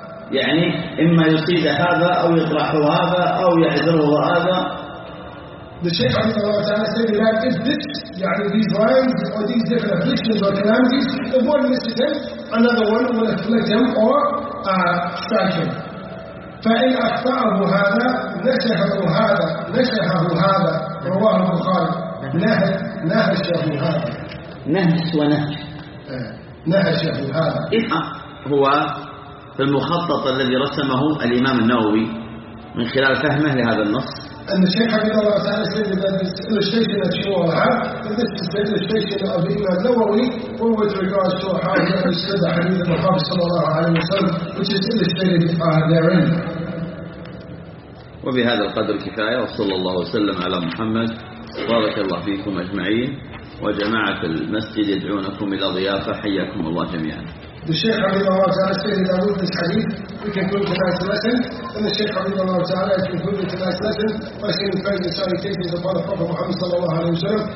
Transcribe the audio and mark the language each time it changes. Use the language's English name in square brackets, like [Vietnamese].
[Arabic] يعني إما يصيد هذا أو يطرح هذا أو يعذره هذا. [English] The Shaykh رحمه الله تعالى said that if this, يعني these lines or these different afflictions or calamities, if one misses him, another one will afflict him or strike him. [Arabic] فإن أخطأه هذا نشهه هذا نشهه هذا رواه البخاري نهشه هذا نهش ونهش نهشه هذا إيه هو المخطط الذي رسمه الإمام النووي من خلال فهمه لهذا النص. أن الشيخ عبد الله تعالى [English] said that this illustration that you all have, this is the illustration of the Imam Nawawi with regards to how he understood the Hadith of the Prophet صلى الله عليه وسلم, which is illustrated therein. [Arabic] وبهذا القدر كفاية وصلى الله وسلم على محمد بارك الله فيكم أجمعين وجماعة المسجد يدعونكم إلى ضيافة حياكم الله جميعا. [English] The Shaykh Habibullah Ta'ala said that with this hadith, we can conclude tonight's lesson. And the Shaykh Habibullah Ta'ala has concluded tonight's lesson by saying the praise and salutations upon the Prophet Muhammad Sallallahu Alaihi Wasallam.